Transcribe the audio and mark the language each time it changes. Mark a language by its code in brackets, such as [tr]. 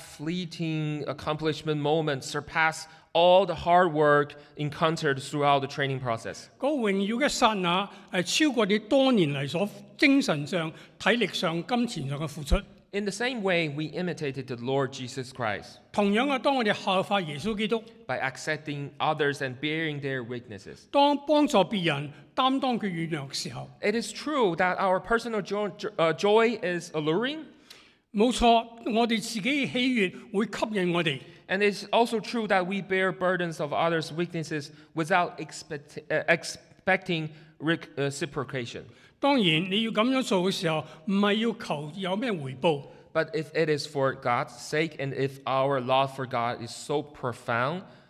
[en] fleeting accomplishment moment surpass all the hard work encountered throughout the training process. [yue] 嗰個榮耀嘅剎那係超過你多年嚟所精神上、體力上、金錢上嘅付出。 [en] In the same way, we imitated the Lord Jesus Christ. [yue] 同樣啊，當我哋效法耶穌基督 [en] by accepting others and bearing their weaknesses. [yue] 當幫助別人，擔當佢軟弱嘅時候 [en] it is true that our personal joy is alluring. [yue] 冇錯，我哋自己喜悅會吸引我哋。 [en] And it's also true that we bear burdens of others' weaknesses without expecting reciprocation. [yue] 當然你要咁樣做嘅時候，唔係要求有咩回報。 [en] But if it is for God's sake and if our love for God is so profound,